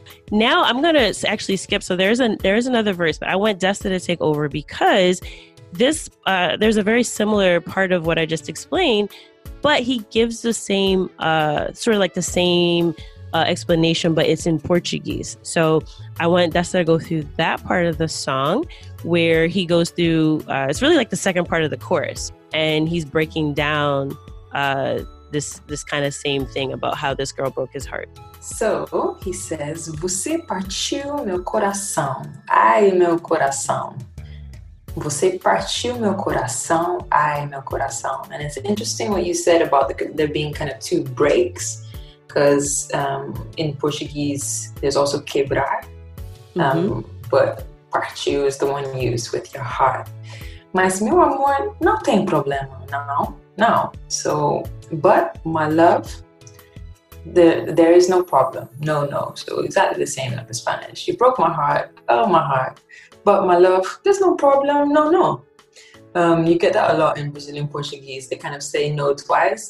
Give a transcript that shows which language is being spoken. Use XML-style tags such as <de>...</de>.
<en>Now I'm going to actually skip. So there is another verse, but I want Desta to take over because this there's a very similar part of what I just explained, but he gives the same sort of like the same explanation, but it's in Portuguese. So I want Desta to go through that part of the song where he goes through, it's really like the second part of the chorus, and he's breaking down this kind of same thing about how this girl broke his heart. So he says,</en> <pt>você partiu meu coração, ai meu coração. Você partiu meu coração, ai meu coração.</pt> <en>And it's interesting what you said about there being kind of two breaks, because in Portuguese there's also quebrar, but partiu is the one used with your heart.</en> <pt>Mas meu amor, não tem problema, não.</pt> <en>No, so, but my love, there is no problem. No, no. So exactly the same like the Spanish. You broke my heart. Oh, my heart. But my love, there's no problem. No, no. You get that a lot in Brazilian Portuguese. They kind of say no twice.</en>